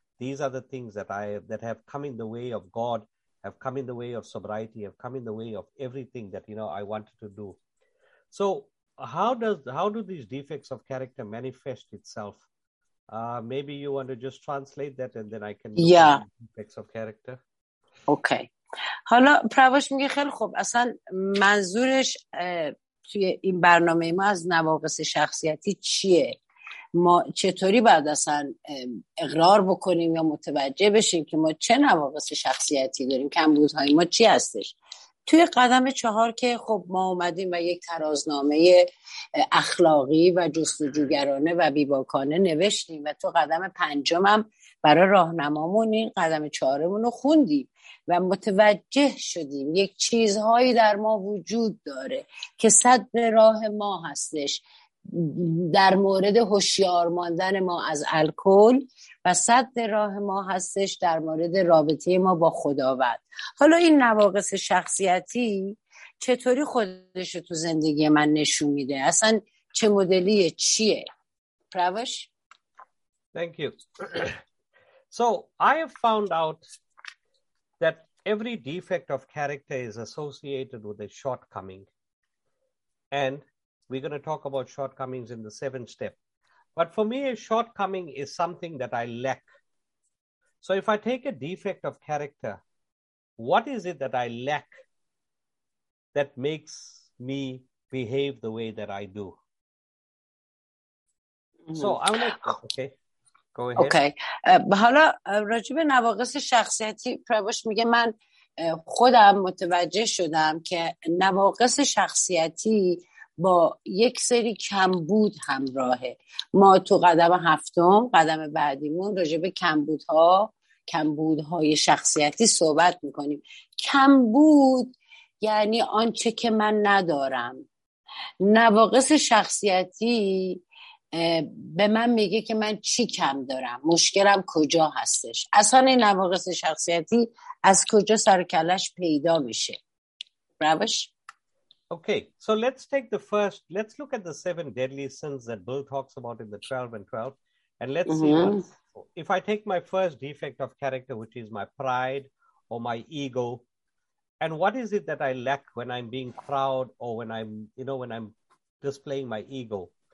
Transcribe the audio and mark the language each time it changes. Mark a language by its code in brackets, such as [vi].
[en] These are the things that have come in the way of God, have come in the way of sobriety, have come in the way of everything that, you know, I wanted to do. So how do these defects of character manifest itself? Maybe you want to just translate that and then I can look at the defects of character. Okay. [fa] حالا پروش میگه خیلی خوب، اصلا منظورش توی این برنامه ما از نواقص شخصیتی چیه؟ ما چطوری باید اصلا اقرار بکنیم یا متوجه بشیم که ما چه نواقص شخصیتی داریم؟ کمبودهای ما چی هستش؟ توی قدم چهار که خب ما اومدیم و یک ترازنامه اخلاقی و جستجوگرانه و بیباکانه نوشتیم و تو قدم پنجم هم برای راهنمامون این قدم چهارمون رو خوندیم و متوجه شدیم یک چیزهایی در ما وجود داره که صد به راه ما هستش در مورد هوشیار ماندن ما از الکل و صد راه ما هستش در مورد رابطه ما با خداوند. حالا این نواقص شخصیتی چطوری خودش تو زندگی من نشون میده؟ اصلا چه مدلیه؟ چیه؟ پرواش؟ [en] Thank you. So I have found out that every defect of character is associated with a shortcoming. And we're going to talk about shortcomings in the seventh step. But for me, a shortcoming is something that I lack. So if I take a defect of character, what is it that I lack that makes me behave the way that I do? Mm-hmm. So I'm like, okay. Go ahead. Okay. [fa] حالا راجب نواقص شخصیتی پرواش میگه من خودم متوجه شدم که نواقص شخصیتی با یک سری کمبود همراهه. ما تو قدم هفتم، قدم بعدیمون راجع به کمبودها، کمبودهای شخصیتی صحبت میکنیم. کمبود یعنی آنچه که من ندارم. نواقص شخصیتی به من میگه که من چی کم دارم، مشکلم کجا هستش. اصلا این نواقص شخصیتی از کجا سر کلش پیدا میشه؟ روش؟ [en] Okay, so let's take the first, let's look at the seven deadly sins that Bill talks about in the 12 and 12. And let's mm-hmm. see, if I take my first defect of character, which is my pride or my ego, and what is it that I lack when I'm being proud or when I'm, you know, when I'm displaying my ego?